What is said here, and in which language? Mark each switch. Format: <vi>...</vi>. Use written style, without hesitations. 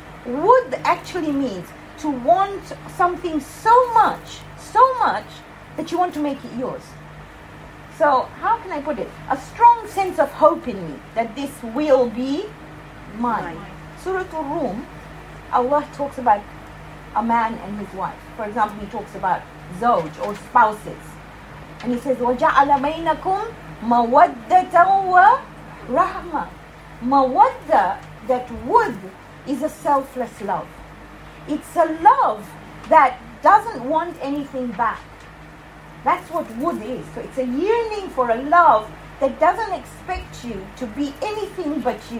<en>Wud actually means to want something so much, that you want to make it yours. So how can I put it? A strong sense of hope in me that this will be mine. Surah Ar-Rum, Allah talks about a man and his wife. For example, he talks about zawj or spouses. And he says,</en> <ar>وَجَعَلَ بَيْنَكُمْ مَوَدَّةً وَرَحْمَةً.</ar> <en>Mawadda, that wood, is a selfless love. It's a love that doesn't want anything back. That's what wood is. So it's a yearning for a love that doesn't expect you to be anything but you.</en>